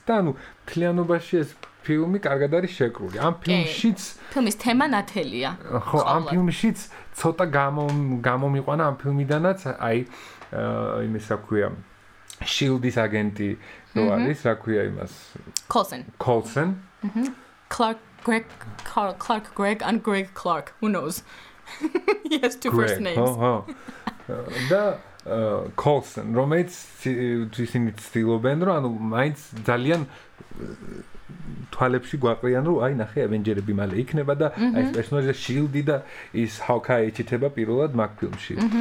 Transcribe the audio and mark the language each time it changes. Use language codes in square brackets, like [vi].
[ka] და ნუ მთლიანობაში ეს ფილმი კარგად არის შეკრული. ამ ფილმშიც ფილმის თემა ნათელია. ხო, ამ ფილმშიც ცოტა გამომიყვანა ამ ფილმიდანაც, აი, იმის აქვია შილდის აგენტი რო არის, რა ქვია იმას? [en] Coulson. Coulson. Clark Greg and Greg Clark. Who knows? He has two first names. [ka] და Coulson, რომელიც ისინი ცდილობენ, რომ ანუ მაინც ძალიან თვალებში გვაყრიან, რომ აი ნახე ავენჯერები მალე იქნება და აი ეს პერსონაჟი და შილდი და ის ჰავკაი ეჩიტება პირველად მაგ ფილმში.